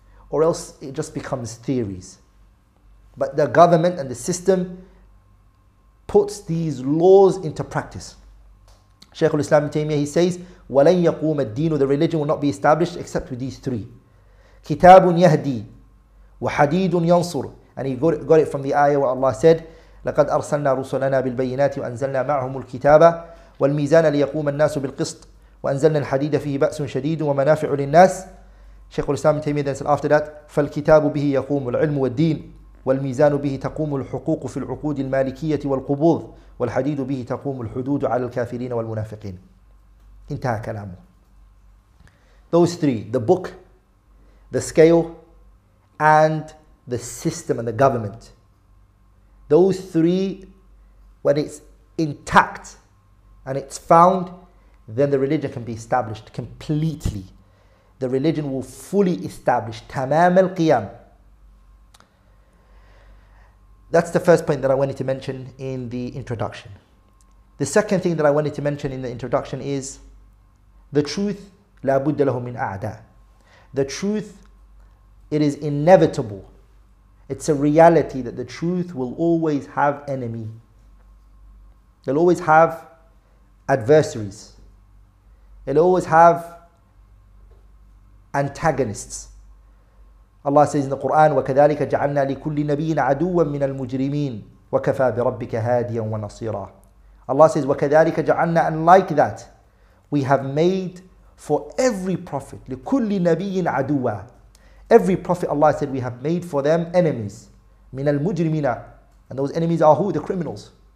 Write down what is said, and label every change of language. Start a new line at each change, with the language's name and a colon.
English: Or else it just becomes theories. But the government and the system puts these laws into practice. Shaykh al-Islam ibn Taymiyyah, he says,
Arabic: وَلَنْ يَقُومَ الدِّينُ,
English: the religion will not be established except with these three.
Arabic: كِتَابٌ يَهْدِي وَحَدِيدٌ يَنْصُرُ.
English: And he got it from the ayah where Allah said,
Arabic: لَقَدْ أَرْسَلْنَا رُسُلَنَا بِالْبَيِّنَاتِ وَأَنْزَلْنَا مَعْهُمُ الْكِتَابَ وَالْمِيزَانَ لِيَقُومَ النَّاسُ بِالْقِسْطِ وَأَنزَلْنَا الْحَدِيدَ فِيهِ بَأْسٌ شَدِيدٌ وَمَنَافِعُ لِلنَّاسِ.
English: Shaykh al-Islam ibn Taymiyyah then said after that,
Arabic: فَالْكِتَابُ بِهِ يَقُومُ الْعِلْمُ وَالدِّينُ وَالْمِيزَانُ بِهِ تَقُومُ الْحُقُوقُ فِي الْعُقُودِ الْمَالِكِيَّةِ وَالْقُبُوضِ وَالْحَدِيدُ بِهِ تَقُومُ الْحُدُودُ عَلَى الْكَافِرِينَ وَالْمُنَافِقِينَ. انتهى كلامه.
English: Those three, the book, the scale, and the system and the government. Those three, when it's intact and it's found, then the religion can be established completely. The religion will fully establish
Arabic: tamam al-qiyam.
English: That's the first point that I wanted to mention in the introduction. The second thing that I wanted to mention in the introduction is the truth,
Arabic: لا بد له من أعداء.
English: The truth, it is inevitable. It's a reality that the truth will always have enemy. They'll always have adversaries. It'll always have antagonists. Allah says in the Quran,
Arabic: وَكَذَلِكَ جَعَلْنَا لِكُلِّ نَبِيٍ عَدُوًا مِنَ الْمُجْرِمِينَ وَكَفَى بِرَبِّكَ هَادِيًا وَنَصِيرًا.
English: Allah says,
Arabic: وَكَذَلِكَ جَعَلْنَا,
English: and like that, we have made for every prophet,
Arabic: لِكُلِّ نَبِيٍ عَدُوًا.
English: Every prophet, Allah said, we have made for them enemies.
Arabic: مِنَ الْمُجْرِمِينَ.
English: And those enemies are who? The criminals.